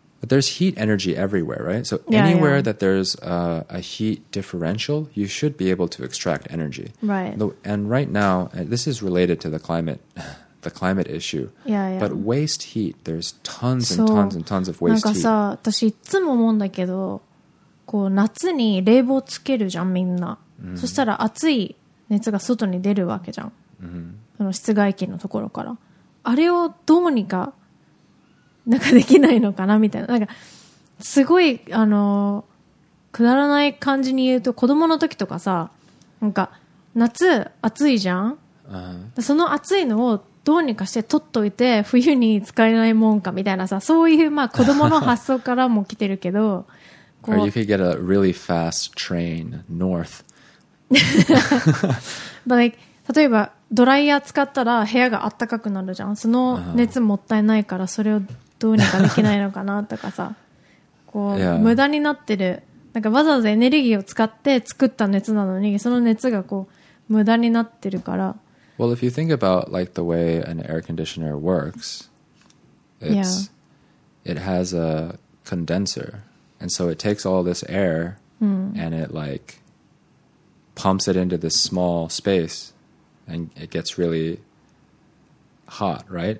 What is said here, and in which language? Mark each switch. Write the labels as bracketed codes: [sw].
[en] But there's heat energy everywhere, right? So anywhere that there's a heat differential, you should be able to extract energy. Right. And right now, and this is related to the climate issue. Yeah. But waste heat, there's tons and tons and tons of waste heat. [ja] なんかさ、私いつも思うんだけど、こう夏に冷房つけるじゃん、みんな。そしたら熱い熱が外に出るわけじゃん。その室外機のところから。あれをどうにか、なんかできないのかなみたいな。なんか、すごい、くだらない感じに言うと、子供の時とかさ、なんか、夏、暑いじゃん、 uh-huh. その暑いのをどうにかして取っといて、冬に使えないもんか、みたいなさ、そういう、まあ、子供の発想からも来てるけど、こう。 [en] Or you could get a really fast train north. But like, [ja] 例えば、ドライヤー使ったら部屋が暖かくなるじゃん。その熱もったいないから、それを、どうにかできないのかなとかさ、こう、 [en] yeah. [ja] 無駄になってる、なんかわざわざエネルギーを使って作った熱なのに、その熱がこう無駄になってるから。 [en] Well, if you think about like the way an air conditioner works, it has a condenser, and so it takes all this air and it like pumps it into this small space, and it gets really hot, right?